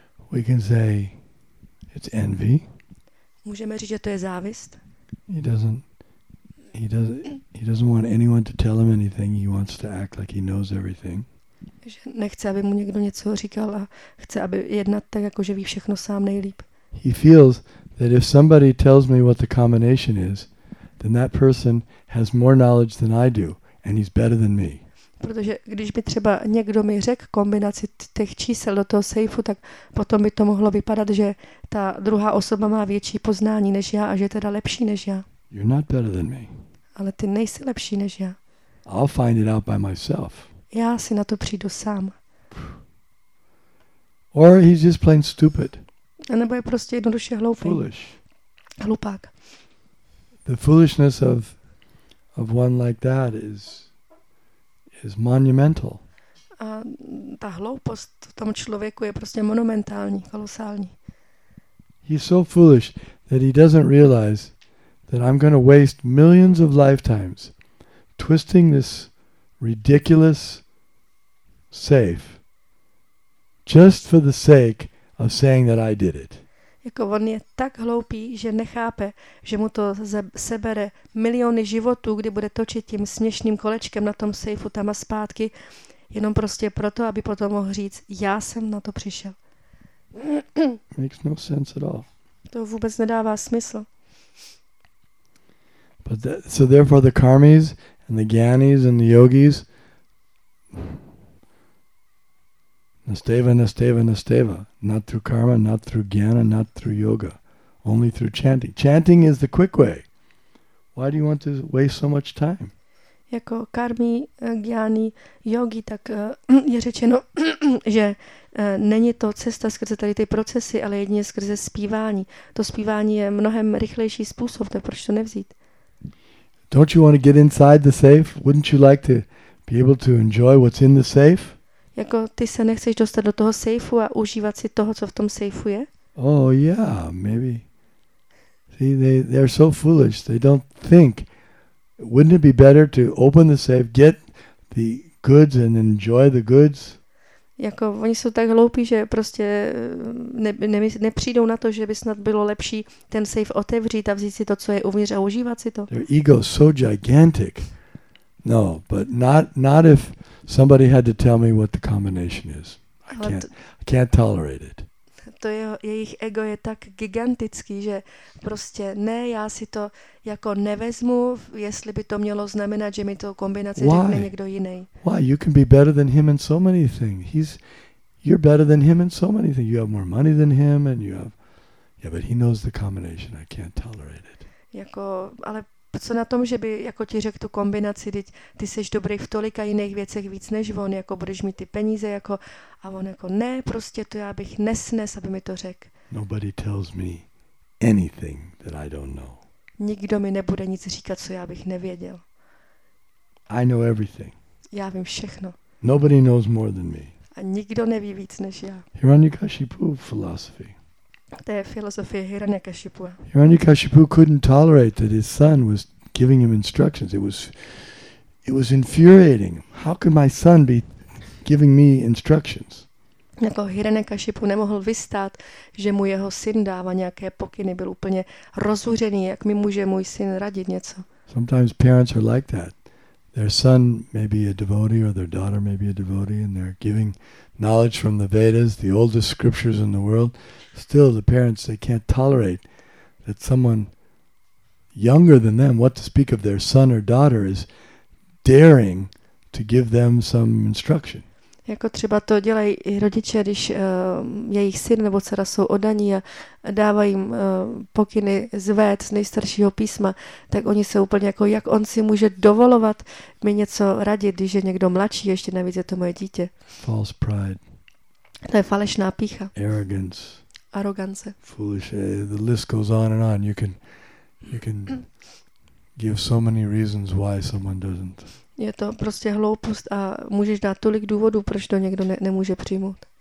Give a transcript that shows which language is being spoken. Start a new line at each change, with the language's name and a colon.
English: We can say it's envy.
Czech: Můžeme říct, že to je závist.
English: He doesn't want anyone to tell him anything. He wants to act like he knows everything.
Czech: Že nechce, aby mu někdo něco říkal a chce, aby jednat tak, jako že ví všechno sám nejlíp.
English: He feels that if somebody tells me what the combination is, then that person has more knowledge than I do and he's better than me.
Czech: Protože když by třeba někdo mi řekl kombinaci těch čísel do toho sejfu, tak potom by to mohlo vypadat, že ta druhá osoba má větší poznání než já a že je teda lepší než já.
English: You're not better than me.
Czech: Ale ty nejsi lepší než já.
English: I'll find it out by myself.
Czech: Já si na to přijdu sám.
English: Or he's just plain stupid.
Czech: A nebo je prostě jednoduše hloupý.
English: Foolish.
Czech: Hlupák.
English: The foolishness of one like that is monumental.
Czech: A ta hloupost v tom člověku je prostě monumentální, kolosální.
English: He's so foolish that he doesn't realize that I'm going to waste millions of lifetimes twisting this ridiculous safe just for the sake of saying that I did it.
Czech: Jako on je tak hloupý, že nechápe, že mu to sebere miliony životů, kdy bude točit tím směšným kolečkem na tom sejfu tam a zpátky, jenom prostě proto, aby potom mohl říct, já jsem na to přišel.
English: Makes no sense at all.
Czech: To vůbec nedává smysl.
English: But that, so therefore the karmis and the gyanis and the yogis nasteva, nasteva, nasteva, not through karma, not through jnana, not through yoga, only through chanting. Chanting is the quick way. Why do you want to waste so much time?
Czech: Jako karmi, gyani, yogi, tak je řečeno, že není to cesta skrze tady ty procesy, ale jedině skrze zpívání. To zpívání je mnohem rychlejší způsob, tak proč to nevzít?
English: Don't you want to get inside the safe? Wouldn't you like to be able to enjoy what's in the safe?
Czech: Jako ty se nechceš dostat do toho sejfu a užívat si toho, co v tom sejfu je?
English: Oh yeah, maybe. See, they're so foolish. They don't think. Wouldn't it be better to open the safe, get the goods and enjoy the goods?
Czech: Jako oni jsou tak hloupí, že prostě nepřijdou na to, že by snad bylo lepší ten safe otevřít a vzít si to, co je uvnitř a užívat si to.
English: Their ego is so gigantic. No, but not if somebody had to tell me what the combination is. I can't tolerate it.
Czech: To jejich ego je tak gigantický, že prostě ne, já si to jako nevezmu, jestli by to mělo znamenat, že mi to kombinace řekne někdo jiný.
English: Why? You can be better than him in so many things. You're better than him in so many things. You have more money than him and you have... Yeah, but he knows the combination. I can't tolerate it.
Czech: Jako, ale co na tom, že by jako ti řekl tu kombinaci, teď ty seš dobrý v tolika jiných věcech víc než on, jako budeš mít ty peníze, jako, a on jako ne, prostě to já bych nesnes, aby mi to řekl.
English: Nobody tells me anything that I don't know.
Czech: Nikdo mi nebude nic říkat, co já bych nevěděl.
English: I know everything.
Czech: Já vím všechno.
English: Nobody knows more than me.
Czech: A nikdo neví víc než já.
English: Hiranyakashipu philosophy.
Czech: To je filozofie Hiranyakashipua.
English: Hiranyakashipu couldn't tolerate that his son was giving him instructions. It was infuriating. How could my son be giving me instructions?
Czech: Jako Hiranyakashipu nemohl vystát, že mu jeho syn dává nějaké pokyny, byl úplně rozhořený, jak mi může můj syn radit něco.
English: Sometimes parents are like that. Their son may be a devotee or their daughter may be a devotee and they're giving knowledge from the Vedas, the oldest scriptures in the world. Still, the parents, they can't tolerate that someone younger than them, what to speak of their son or daughter, is daring to give them some instruction.
Czech: Jako třeba to dělají i rodiče, když jejich syn nebo dcera jsou oddaní a dávají jim pokyny zvést z nejstaršího písma, tak oni se úplně jako, jak on si může dovolovat mi něco radit, když je někdo mladší, ještě navíc je to moje dítě.
English: False pride.
Czech: To je falešná pícha.
English: Arrogance.
Czech: Arogance.
English: Foolish. The list goes on and on. You can give so many reasons why someone doesn't.
Czech: Je to prostě hloupost a můžeš dát tolik důvodů, proč to někdo nemůže přijmout.